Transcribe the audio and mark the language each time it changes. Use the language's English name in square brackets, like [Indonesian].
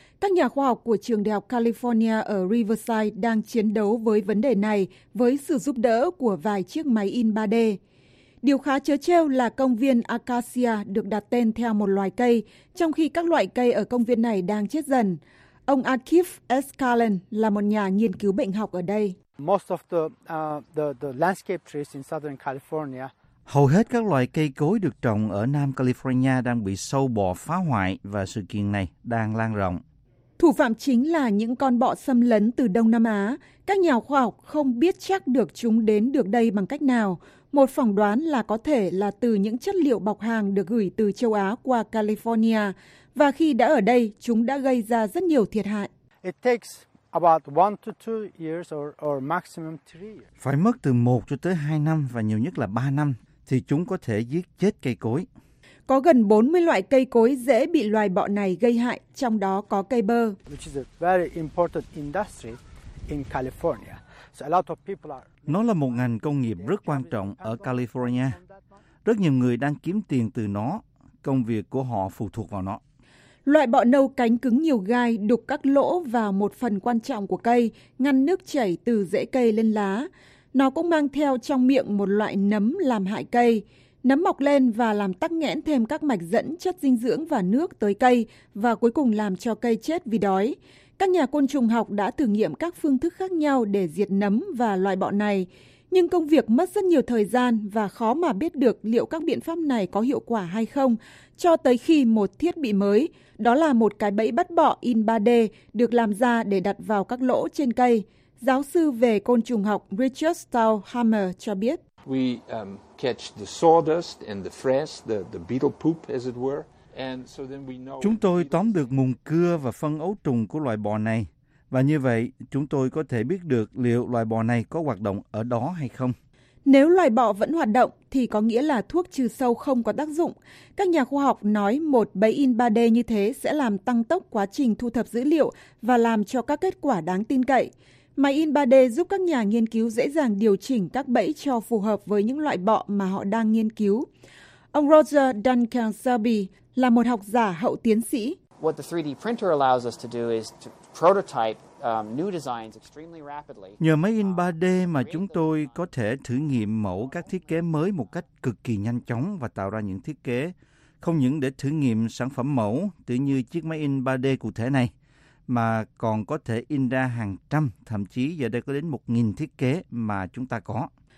[Vietnamese] Các nhà khoa học của Trường Đại học California ở Riverside đang chiến đấu với vấn đề này với sự giúp đỡ của vài chiếc máy in 3D. Điều khá trớ trêu là công viên Acacia được đặt tên theo một loài cây, trong khi các loại cây ở công viên này đang chết dần. Ông Akif Escalen là một nhà nghiên cứu bệnh học ở đây. [English] Most of the landscape trees in Southern California. [Vietnamese] Hầu hết các loại cây cối được trồng ở Nam California đang bị sâu bọ phá hoại và sự kiện này đang lan rộng. Thủ phạm chính là những con bọ xâm lấn từ Đông Nam Á. Các nhà khoa học không biết chắc được chúng đến được đây bằng cách nào. Một phỏng đoán là có thể là từ những chất liệu bọc hàng được gửi từ châu Á qua California. Và khi đã ở đây, chúng đã gây ra rất nhiều thiệt hại. [English] It takes about 1 to 2 years or maximum 3 years. [Vietnamese] Phải mất từ 1 cho tới 2 năm và nhiều nhất là 3 năm thì chúng có thể giết chết cây cối. Có gần 40 loại cây cối dễ bị loài bọ này gây hại, trong đó có cây bơ. [English] Which is a very important industry in California. So a lot of people are... [Vietnamese] Nó là một ngành công nghiệp rất quan trọng ở California. Rất nhiều người đang kiếm tiền từ nó. Công việc của họ phụ thuộc vào nó. Loại bọ nâu cánh cứng nhiều gai đục các lỗ vào một phần quan trọng của cây, ngăn nước chảy từ rễ cây lên lá. Nó cũng mang theo trong miệng một loại nấm làm hại cây. Nấm mọc lên và làm tắc nghẽn thêm các mạch dẫn chất dinh dưỡng và nước tới cây và cuối cùng làm cho cây chết vì đói. Các nhà côn trùng học đã thử nghiệm các phương thức khác nhau để diệt nấm và loại bọ này. Nhưng công việc mất rất nhiều thời gian và khó mà biết được liệu các biện pháp này có hiệu quả hay không, cho tới khi một thiết bị mới, đó là một cái bẫy bắt bọ in 3D được làm ra để đặt vào các lỗ trên cây. Giáo sư về côn trùng học Richard Stahlhammer cho biết. [English] We catch the sawdust and the fresh, the beetle poop as it were. [Vietnamese] Chúng tôi tóm được mùn cưa và phân ấu trùng của loài bò này, và như vậy chúng tôi có thể biết được liệu loài bò này có hoạt động ở đó hay không. Nếu loài bò vẫn hoạt động thì có nghĩa là thuốc trừ sâu không có tác dụng. Các nhà khoa học nói một bẫy in 3D như thế sẽ làm tăng tốc quá trình thu thập dữ liệu và làm cho các kết quả đáng tin cậy. Máy in 3D giúp các nhà nghiên cứu dễ dàng điều chỉnh các bẫy cho phù hợp với những loại bọ mà họ đang nghiên cứu. Ông Roger Duncan Selby là một học giả hậu tiến sĩ. [English] What the 3D printer allows us to do is to prototype new designs extremely rapidly. [Vietnamese] Nhờ máy in 3D mà chúng tôi có thể thử nghiệm mẫu các thiết kế mới một cách cực kỳ nhanh chóng và tạo ra những thiết kế không những để thử nghiệm sản phẩm mẫu tự như chiếc máy in 3D cụ thể này, mà còn có thể in ra hàng trăm, thậm chí giờ đây có đến 1.000 thiết kế mà chúng ta có.